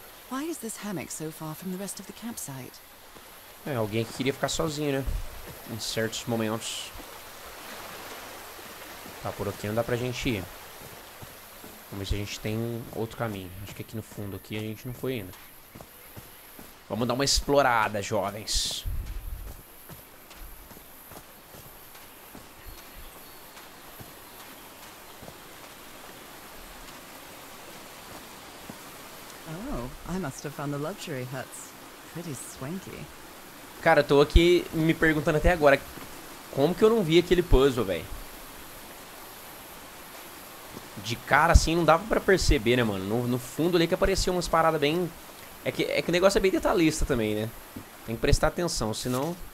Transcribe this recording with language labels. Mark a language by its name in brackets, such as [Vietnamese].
[English] Why is this hammock so far from the rest of the campsite? [Portuguese] Alguém que queria ficar sozinho, né? Em certos momentos. Tá, por aqui não dá pra gente ir. Vamos ver se a gente tem outro caminho. Acho que aqui no fundo aqui a gente não foi ainda. Vamos dar uma explorada, jovens. [English] I must have found the luxury huts. Pretty swanky. [Portuguese] Cara, eu tô aqui me perguntando até agora como que eu não vi aquele puzzle, velho. De cara assim não dava pra perceber, né, mano? No fundo ali que apareciam umas paradas bem. É que o negócio é bem detalhista também, né? Tem que prestar atenção, senão.